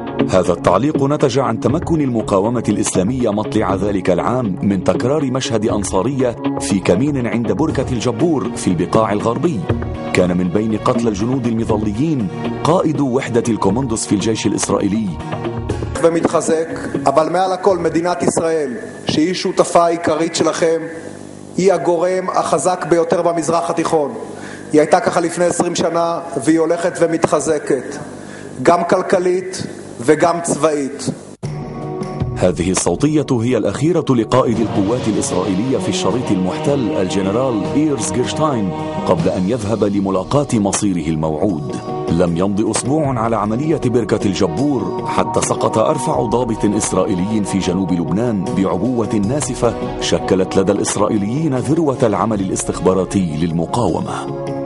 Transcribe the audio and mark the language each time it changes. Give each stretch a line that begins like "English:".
Arabic: هذا التعليق نتج عن تمكن المقاومة الإسلامية مطلع ذلك العام من تكرار مشهد أنصارية في كمين عند بركة الجبور في البقاع الغربي. كان من بين قتل الجنود المظليين قائد وحدة الكوموندوس في الجيش الإسرائيلي. ومتخزك،
Hebrew: אבל מעל הכל מדינת ישראל, שהיא שותפה עיקרית שלכם, היא הגורם החזק ביותר במזרח התיכון. היא הייתה ככה לפני 20 שנה, והיא הולכת ומתחזקת. גם כלכלית וגם צבאית.
Arabic: هذه الصوتية هي الأخيرة لقائد القوات الإسرائيلية في الشريط المحتل الجنرال إيرز جيرشتاين قبل أن يذهب لملاقات مصيره الموعود. لم يمض أسبوع على عملية بركة الجبور حتى سقط أرفع ضابط إسرائيلي في جنوب لبنان بعبوة ناسفة شكلت لدى الإسرائيليين ذروة العمل الاستخباراتي للمقاومة.